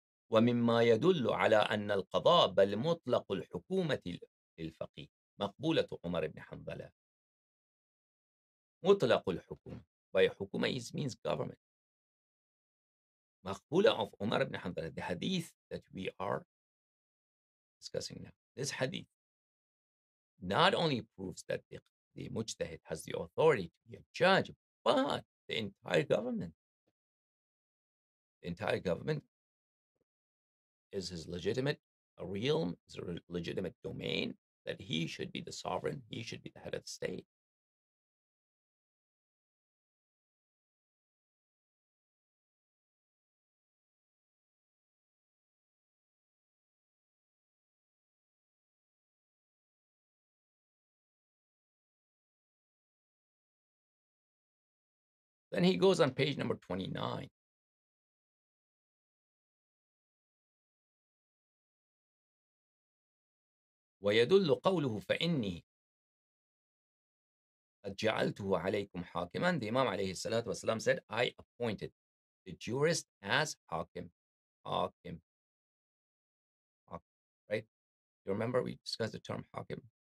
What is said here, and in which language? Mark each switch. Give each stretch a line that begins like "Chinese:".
Arabic: وَمِمَّا يَدُلُّ عَلَىٰ أَنَّ الْقَضَىٰ بَلْ مُطْلَقُ الْحُكُومَةِ الْفَقِيهِ مَقْبُولَةُ عُمَرِ بْنِ حَنْبَلَةِ مُطْلَقُ الْحُكُومَةِ By حُكُومَةِ
English: is means government. مَقْبُولَةُ of عُمَرِ بْنِ حَنْبَلَةِ The hadith that we are discussing now. This hadith not only proves that the mujtahid has the authority to be a judge, but the entire government is his legitimate realm, is a legitimate domain, that he should be the sovereign, he should be the head of the state. Then he goes on page number 29.
Arabic: ويدل قوله فإني قد جعلته عليكم حاكما.
English: The Imam عليه الصلاة والسلام said, I appointed the jurist as حاكم. حاكم. حاكم. Right? You remember we discussed the term حاكم?